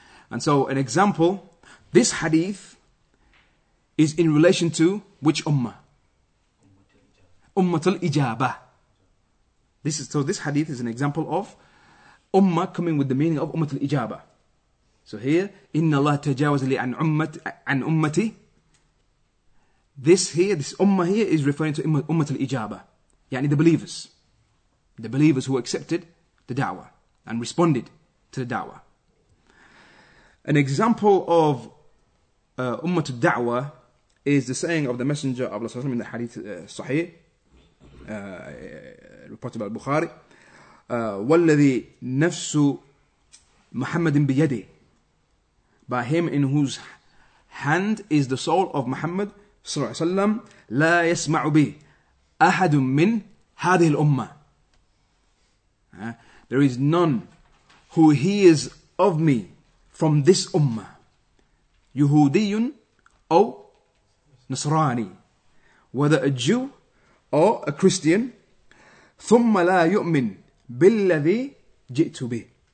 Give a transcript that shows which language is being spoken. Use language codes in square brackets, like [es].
[en] And so an example, this hadith is in relation to which ummah? Ummatul ijabah. This hadith is an example of ummah coming with the meaning of ummatul ijabah. So here, [ar] إِنَّ اللَّهَ تَجَاوَزَ لِي عَنْ أُمَّتِي. [en] This ummah here is referring to ummat al-ijabah. Yani the believers. The believers who accepted the da'wah and responded to the da'wah. An example of ummat al-da'wah is the saying of the Messenger of Allah in the hadith sahih, reported by Bukhari. [ar] وَالَّذِي نَفْسُ مُحَمَّدٍ بِيَدِهِ. [en] By him in whose hand is the soul of Muhammad [ar] صلى الله عليه وسلم لا يسمع به أحد من هذه الأمة. [en] There is none who hears of me from this ummah, [ar] يهودي أو نصراني, [en] whether a Jew or a Christian, [ar] ثم لا يؤمن بالذي جئت به.